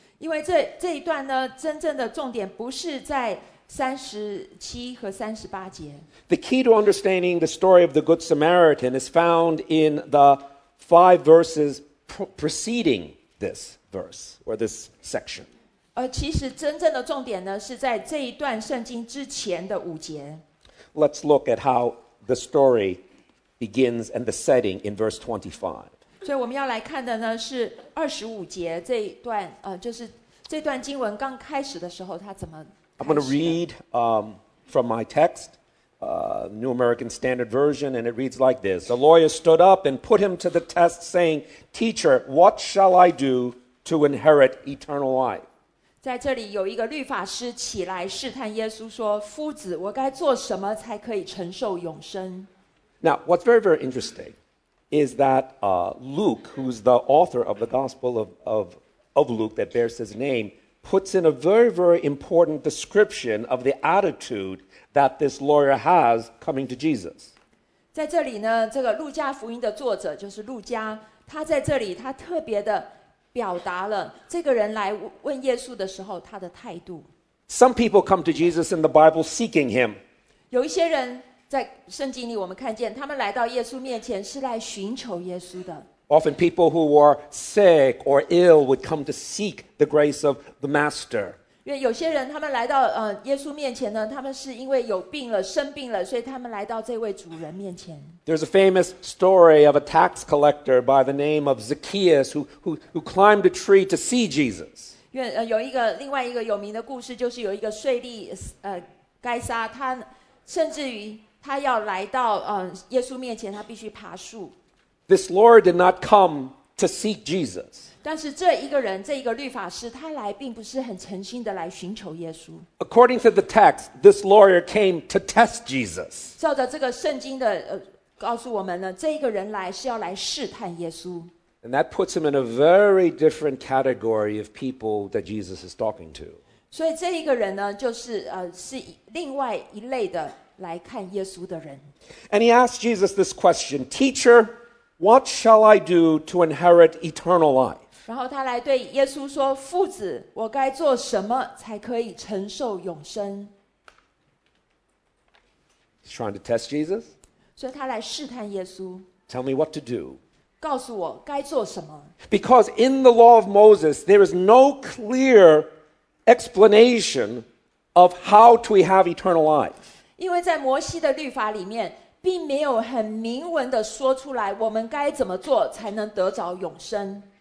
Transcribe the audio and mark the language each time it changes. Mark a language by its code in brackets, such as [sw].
[zh] 因为这一段呢，真正的重点不是在37和38节。 [en] The key to understanding the story of the Good Samaritan is found in the five verses preceding this verse or this section. [zh] 其实真正的重点呢，是在这一段圣经之前的五节。 [en] Let's look at howThe story begins and the setting in verse 25. [zh] 所以我们要来看的呢是25节这一段就是这段经文刚开始的时候它怎么开始的 [en] I'm going to read from my text, New American Standard Version, and it reads like this. The lawyer stood up and put him to the test saying, Teacher, what shall I do to inherit eternal life? [zh] 在这里有一个律法师起来试探耶稣说夫子我该做什么才可以承受永生 [en] Now, what's very, very interesting is that Luke, who's the author of the Gospel of Luke that bears his name, puts in a very, very important description of the attitude that this lawyer has coming to Jesus. [zh] 在这里呢这个路加福音的作者就是路加他在这里他特别的表达了这个人来问耶稣的时候他的态度 [en] Some people come to Jesus in the Bible seeking him [zh] 有一些人在圣经里我们看见他们来到耶稣面前是来寻求耶稣的 [en] Often people who were sick or ill would come to seek the grace of the master [zh] 因为有些人他们来到耶稣面前呢他们是因为有病了生病了所以他们来到这位主人面前 [en] There's a famous story of a tax collector by the name of Zacchaeus who climbed a tree to see Jesus [zh] 因为有一个另外一个有名的故事就是有一个税吏该撒他甚至于他要来到耶稣面前他必须爬树 [en] This lawyer did not come to seek Jesus [zh] 但是这一个人这一个律法师他来并不是很诚心的来寻求耶稣 [en] According to the text, this lawyer came to test Jesus [zh] 照着这个圣经的告诉我们呢这一个人来是要来试探耶稣 [en] And that puts him in a very different category of people that Jesus is talking to [zh] 所以这一个人呢就是是另外一类的来看耶稣的人 [en] And he asked Jesus this question, Teacher,What shall I do to inherit eternal life? [zh] 然后他来对耶稣说夫子我该做什么才可以承受永生 [en] He's trying to test Jesus. [zh] 所以他来试探耶稣 [en] Tell me what to do. [zh] 告诉我该做什么 [en] Because in the law of Moses, there is no clear explanation of how to have eternal life. [zh] 因为在摩西的律法里面并没有很明文的说出来我们该怎么做才能得着永生